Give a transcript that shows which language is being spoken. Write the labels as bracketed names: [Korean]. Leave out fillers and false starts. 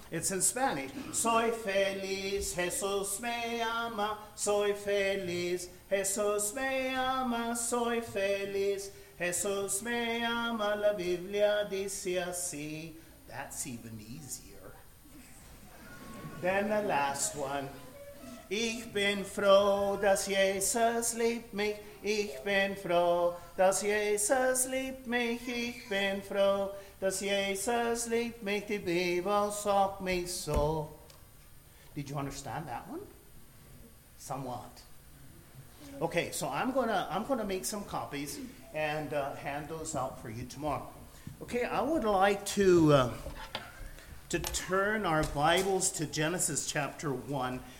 [English] It's in Spanish. [Spanish] Soy feliz, Jesús me ama. Soy feliz, Jesús me ama. Soy feliz, Jesús me ama. La Biblia dice así. [English] That's even easier. Then the last one. [German] Ich bin froh, dass Jesus liebt mich. Ich bin froh, dass Jesus liebt mich. Ich bin froh, dass Jesus liebt mich. Die Bibel sagt mich so. [English] Did you understand that one? Somewhat. Okay, so I'm gonna make some copies and hand those out for you tomorrow. Okay, I would like to turn our Bibles to Genesis chapter 1.